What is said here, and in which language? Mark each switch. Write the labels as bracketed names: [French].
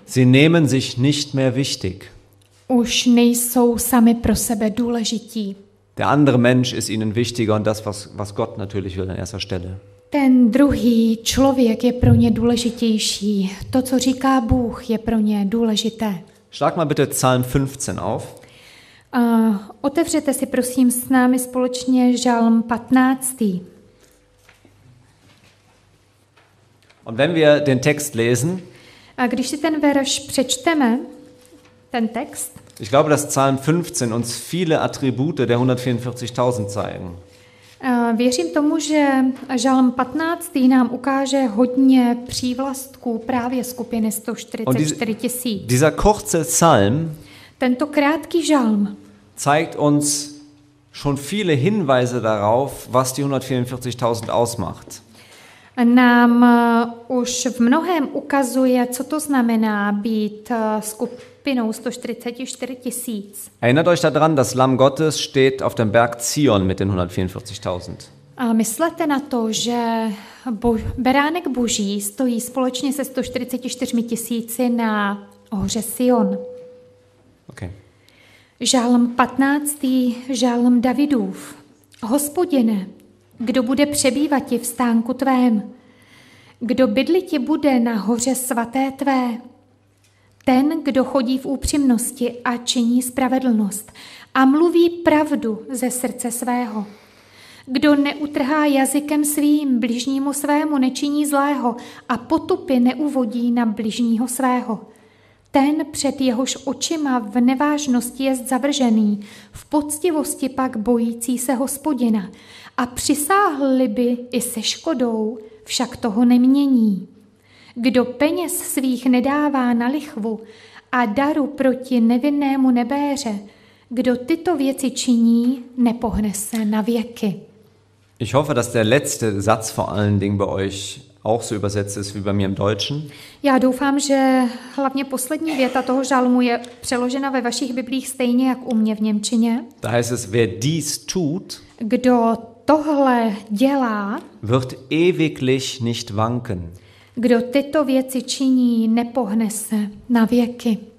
[German] Sie nehmen sich nicht mehr wichtig. [Czech] Už nejsou sami pro sebe důležití. [German] Der andere Mensch ist ihnen wichtiger und das, was Gott natürlich will an erster Stelle. [Czech] Ten druhý člověk je pro ně důležitější. To, co říká Bůh, je pro ně důležité. [German] Schlag mal bitte Psalm 15 auf. [Czech] Otevřete si prosím s námi společně Žalm 15. [German] Und wenn wir den Text lesen, [Czech] a když si ten verš přečteme, ten text, [German] ich glaube, dass Psalm 15 uns viele Attribute der 144.000 zeigen. [Czech] Věřím tomu, že Žalm 15. nám ukáže hodně přívlastků právě skupiny 144 000. [German] Dieser kurze Psalm, [Czech] tento krátký žalm, [German] zeigt uns schon viele Hinweise darauf, was die 144.000 ausmacht. [Czech] Nám už v mnohem ukazuje, co to znamená být skupinou 144 000. [German] Erinnert euch daran, das Lamm Gottes steht auf dem Berg Zion mit den 144.000. [Czech] A myslete na to, že beránek Boží stojí společně se 144 000 na hoře Sion. Okay. Žalm 15. Žalm Davidův. Hospodine, kdo bude přebývat ti v stánku tvém? Kdo bydli ti bude na hoře svaté tvé? Ten, kdo chodí v upřímnosti a činí spravedlnost a mluví pravdu ze srdce svého. Kdo neutrhá jazykem svým bližnímu svému, nečiní zlého a potupy neuvodí na bližního svého. Ten, před jehož očima v nevážnosti jest zavržený, v poctivosti pak bojící se Hospodina. A přisáhli by i se škodou, však toho nemění. Kdo peněz svých nedává na lichvu a daru proti nevinnému nebéře, kdo tyto věci činí, nepohne se na věky. [German] Ich hoffe, dass der letzte Satz vor allen Dingen bei euch auch so übersetzt ist wie bei mir im Deutschen. [Czech] Já doufám, že hlavně poslední věta toho žalmu je přeložena ve vašich biblích stejně jak u mě v němčině. [German] Da heißt es, wer dies tut, [Czech] kdo tohle dělá, [German] wird ewiglich nicht wanken. [Czech] Kdo tyto věci činí, nepohne se na věky.